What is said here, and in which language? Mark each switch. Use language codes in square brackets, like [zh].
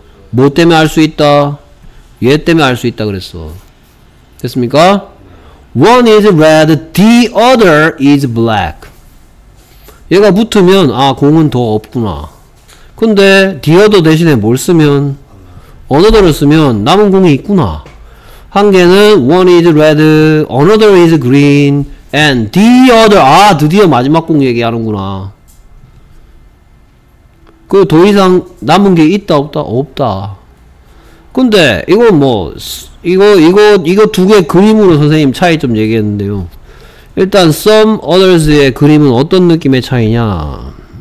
[ko] 뭐 때문에 알 수 있다? 얘 때문에 알 수 있다 그랬어. 됐습니까? [en] One is red, the other is black. [ko] 얘가 붙으면 아 공은 더 없구나. 근데 디어더 대신에 뭘 쓰면 어너더를 쓰면 남은 공이 있구나. 한 개는 [en] one is red, another is green, and the other. [ko] 아 드디어 마지막 공 얘기하는구나. 그 더 이상 남은 게 있다 없다? 없다. 근데 이거 뭐 이거 두 개 그림으로 선생님 차이점 얘기했는데요. 일단 some others의 그림은 어떤 느낌의 차이냐?